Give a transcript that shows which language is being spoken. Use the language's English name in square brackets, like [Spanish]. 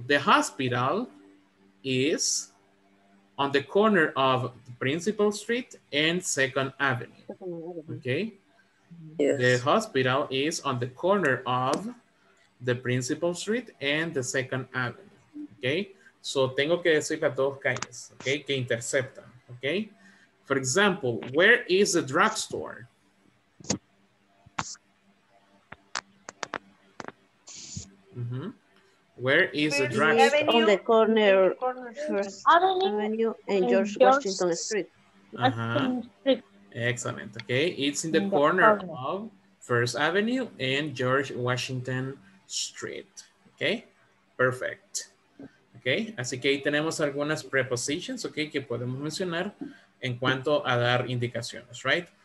[English] The hospital is on the corner of Principal Street and Second Avenue, okay? Yes. The hospital is on the corner of the Principal Street and the Second Avenue, okay? [Spanish] So, tengo que decir las dos calles, okay, que interceptan, okay? [English] For example, where is the drugstore? Mm-hmm. Where is the drugstore? On the corner of Avenue and George Washington Street. Uh-huh. Excellent, okay? It's in the corner of First Avenue and George Washington Street, okay? Perfect. [Spanish] Okay, así que ahí tenemos algunas prepositions, okay, que podemos mencionar en cuanto a dar indicaciones, right?